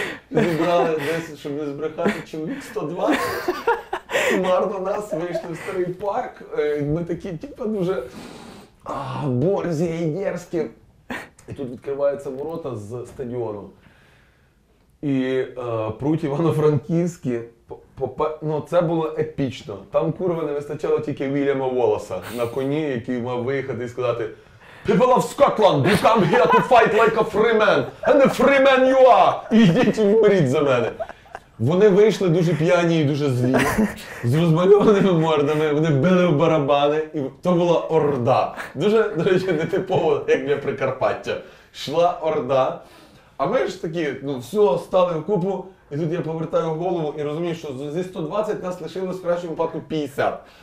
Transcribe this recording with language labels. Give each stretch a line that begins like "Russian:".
Ukrainian: Ми брали 10, щоб не збрехати, чоловік 120. Марно нас вийшли в старий парк. Ми такі, типа, дуже борзі і дерзкі. І тут відкриваються ворота з стадіону. І пруть Івано-Франківські. Ну, це було епічно. Там, курва, не вистачало тільки Вільяма Волоса на коні, який мав виїхати і сказати:
English: «People of Scotland, you come here to fight like a free man, and a free man you are!
Ukrainian: Ідіть і вмріть за мене!» Вони вийшли дуже п'яні і дуже злі, з розмальованими мордами, вони били в барабани, і то була орда. Дуже, до речі, нетипово, як для Прикарпаття. Йшла орда, а ми ж такі, ну, все, стали в купу, і тут я повертаю голову і розумію, що зі 120 нас лишилось в кращому випадку 50.